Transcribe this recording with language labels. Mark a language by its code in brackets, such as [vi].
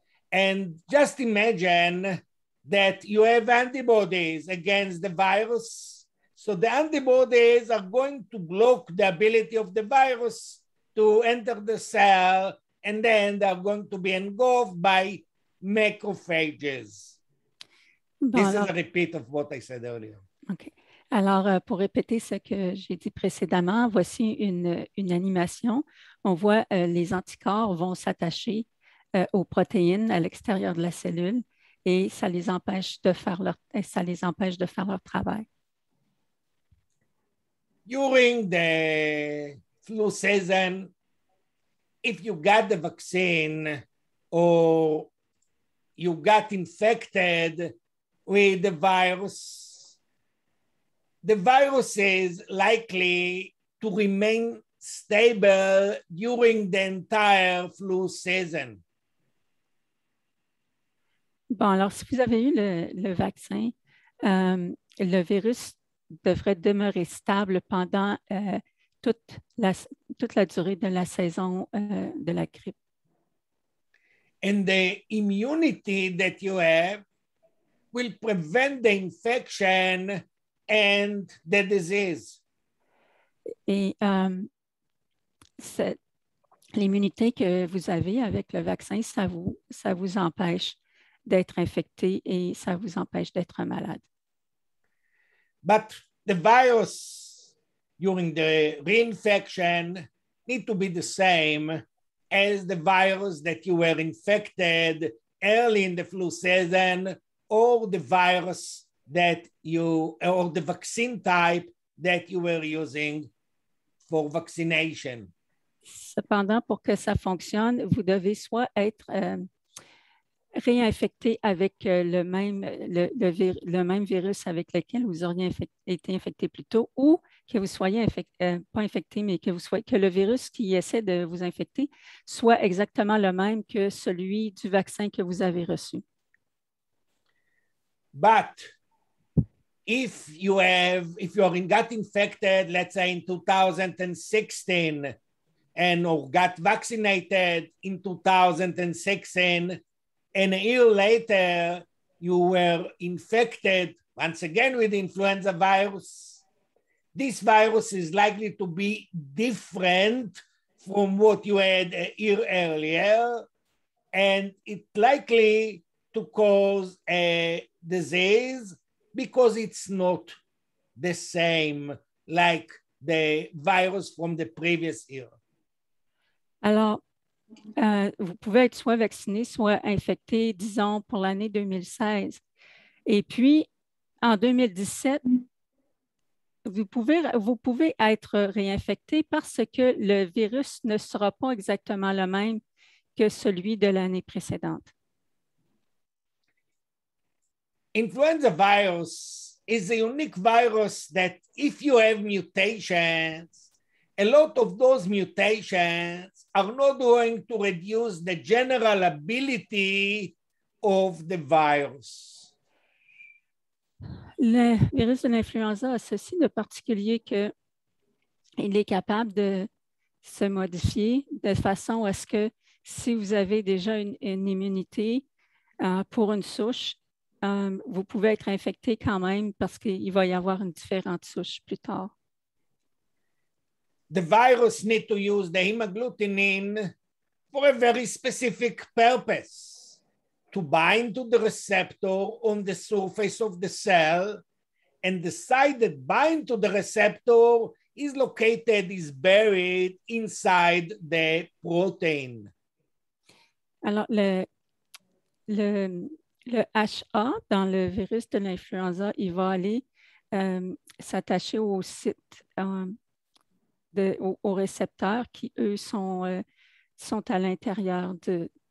[en] And just imagine that you have antibodies against the virus. So the antibodies are going to block the ability of the virus to enter the cell, and then they're going to be engulfed by macrophages. [fr] Bon, [en] this is a repeat of what I said earlier. Okay. [fr] Alors, pour répéter ce que j'ai dit précédemment, voici une animation. On voit les anticorps vont s'attacher aux protéines à l'extérieur de la cellule et ça les empêche de faire leur travail. [en] During the flu season, if you got the vaccine or you got infected with the virus, the virus is likely to remain stable during the entire flu season. [fr] Bon, alors, si vous avez eu le vaccin, le virus devrait demeurer stable pendant toute la durée de la saison de la grippe. [en] And the immunity that you have will prevent the infection and the disease. [fr] Et l'immunité que vous avez avec le vaccin, ça vous empêche d'être infecté et ça vous empêche d'être malade. [en] But the virus during the reinfection need to be the same as the virus that you were infected early in the flu season, or the virus that you, or the vaccine type that you were using for vaccination. [fr] Cependant, pour que ça fonctionne, vous devez soit être réinfecté avec le même virus avec lequel vous auriez été infecté plus tôt, ou que vous soyez que le virus qui essaie de vous infecter soit exactement le même que celui du vaccin que vous avez reçu. [en] But if you have, if you are got infected, let's say in 2016, and or got vaccinated in 2016, and a year later, you were infected once again with the influenza virus. This virus is likely to be different from what you had a year earlier, and it's likely to cause a disease because it's not the same like the virus from the previous year. [fr] Alors, vous pouvez être soit vacciné, soit infecté, disons, pour l'année 2016. Et puis, en 2017, vous pouvez être réinfecté parce que le virus ne sera pas exactement le même que celui de l'année précédente. [en] Influenza virus is a unique virus that if you have mutations, a lot of those mutations are not going to reduce the general ability of the virus. [fr] Le virus de l'influenza a ceci de particulier que il est capable de se modifier de façon à ce que si vous avez déjà une immunité pour une souche, vous pouvez être infecté quand même parce qu'il va y avoir une différente souche plus tard. [en] The virus needs to use the hemagglutinin for a very specific purpose, to bind to the receptor on the surface of the cell, and the site that binds to the receptor is located, is buried inside the protein. [fr] Alors, le HA dans le virus de l'influenza, il va aller s'attacher au site aux récepteurs qui, eux, sont à l'intérieur de...